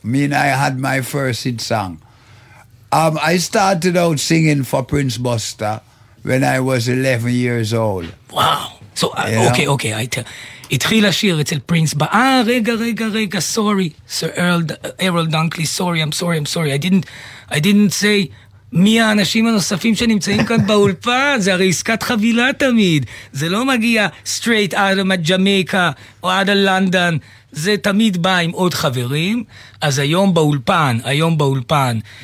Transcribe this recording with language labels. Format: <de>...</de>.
<en>I mean, I had my first hit song. I started out singing for Prince Buster when I was 11 years old. Wow. So, okay.</en> <he>התחיל השיר אצל פרינס. רגע,</he> <en>sorry. Sir Errol Dunkley, sorry. I didn't say</en> <he>מי האנשים הנוספים שנמצאים כאן באולפן. זה הרי עסקת חבילה תמיד. זה לא מגיע</he> <en>straight out of Jamaica</en> <he>או</he> <en>out of London.</en> <he>זה תמיד בא עם עוד חברים. אז היום באולפן</he>